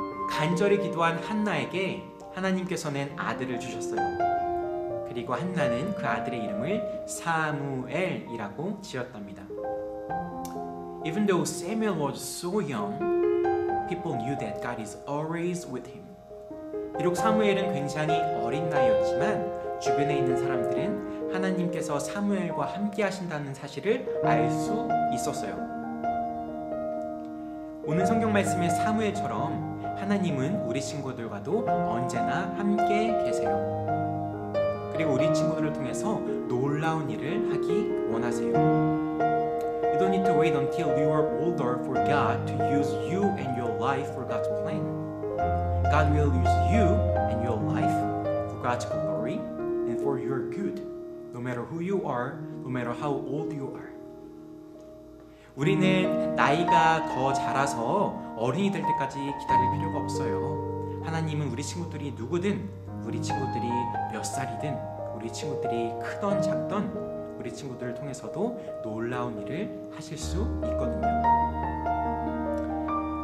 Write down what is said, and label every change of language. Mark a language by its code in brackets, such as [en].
[ko] 간절히 기도한 한나에게 하나님께서는 아들을 주셨어요. 그리고 한나는 그 아들의 이름을 사무엘이라고 지었답니다. [en] Even though Samuel was so young, people knew that God is always with him. [ko] 비록 사무엘은 굉장히 어린 나이였지만 주변에 있는 사람들은 하나님께서 사무엘과 함께 하신다는 사실을 알 수 있었어요. 오늘 성경 말씀에 사무엘처럼 하나님은 우리 친구들과도 언제나 함께 계세요. 그리고 우리 친구들을 통해서 놀라운 일을 하기 원하세요. [en] You don't need to wait until you are older for God to use you and your life for God's plan. God will use you and your life for God's glory and for your good, no matter who you are, no matter how old you are. [ko] 우리는 나이가 더 자라서 어른이 될 때까지 기다릴 필요가 없어요. 하나님은 우리 친구들이 누구든, 우리 친구들이 몇 살이든, 우리 친구들이 크든 작든, 우리 친구들을 통해서도 놀라운 일을 하실 수 있거든요.